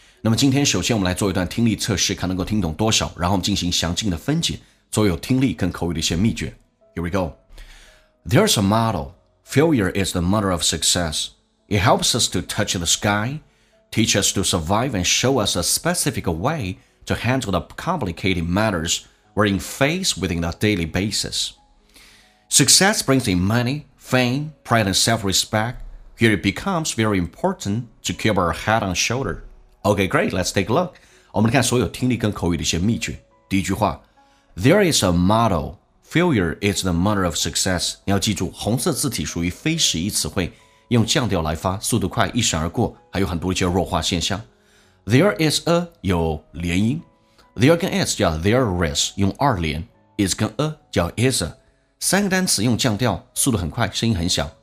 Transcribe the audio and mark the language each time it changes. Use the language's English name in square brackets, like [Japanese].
[Chinese] 那么今天首先我们来做一段听力测试，看能够听懂多少，然后我们进行详尽的分解，所有听力跟口语的一些秘诀。 [English] Here we go. There's a motto, failure is the mother of success. It helps us to touch the sky, teach us to survive and show us a specific way to handle the complicated matters we're in face within a daily basis. Success brings in money, fame, pride and self-respect. Here it becomes very important to keep our head on shoulder. Okay, great, let's take a look. [Chinese] 我们来看所有听力跟口语的一些秘诀。第一句话 [English] There is a motto, failure is the mother of success. [Chinese] 你要记住，红色字体属于非实义词汇，用降调来发，速度快，一闪而过，还有很多一些弱化现象。 There is a 有连音， There 跟 is 叫 there is， 用二连， is 跟 a 叫 is a，三个单词用降调，速度很快，声音很小。